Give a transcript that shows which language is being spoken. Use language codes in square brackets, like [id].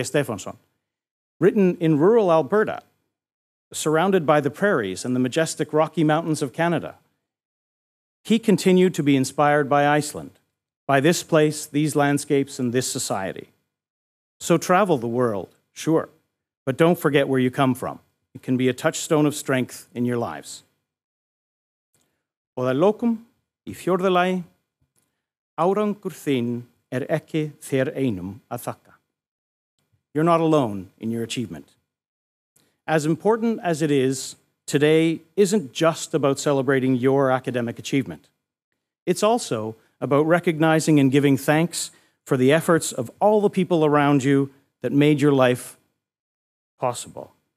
[en] Stefánsson, written in rural Alberta, surrounded by the prairies and the majestic Rocky Mountains of Canada, he continued to be inspired by Iceland, by this place, these landscapes, and this society. So travel the world, sure, but don't forget where you come from. It can be a touchstone of strength in your lives. [is] Og að lokum, í fjórða lagi, árangur þinn ekki þér einum að þakka. [en] You're not alone in your achievement. As important as it is, today isn't just about celebrating your academic achievement. It's also about recognizing and giving thanks for the efforts of all the people around you that made your life possible.